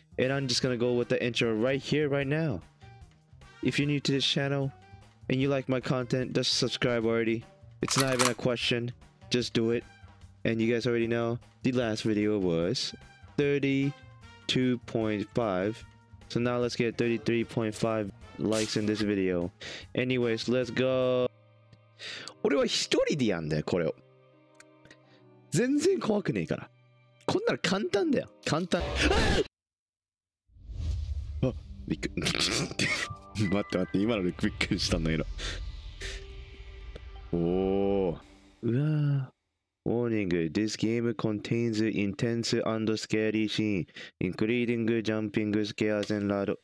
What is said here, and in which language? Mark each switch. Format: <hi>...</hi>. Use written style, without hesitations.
<en>And I'm just gonna go with the intro right here, right now. If you're new to this channel,And you like my content, just subscribe already. It's not even a question. Just do it. And you guys already know, the last video was 32.5. So now let's get 33.5 likes in this video. Anyways, let's go.</en> <ja>俺は一人でやんだよ、これを。全然怖くねえから。こんなの簡単だよ。簡単。あ、びっくり。待って待って、今のでびっくりしたんだけど。おお、うわぁ。</ja> <en>Warning: This game contains intense and scary scene, including jumping scares and loud.</en>